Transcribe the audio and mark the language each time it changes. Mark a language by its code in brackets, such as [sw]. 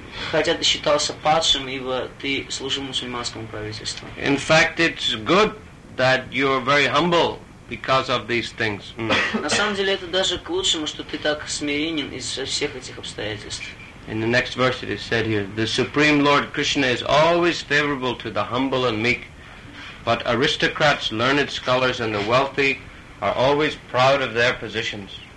[ru] Хотя ты считался падшим, ибо ты служил мусульманскому правительству. [en] In fact, it's good that you're very humble because of these things. [ru] На самом деле, это даже к лучшему, что ты так смиренен из-за всех этих обстоятельств. [en] In the next verse it is said here, the Supreme Lord Krishna is always favorable to the humble and meek, but aristocrats, learned scholars and the wealthy are always proud of their positions.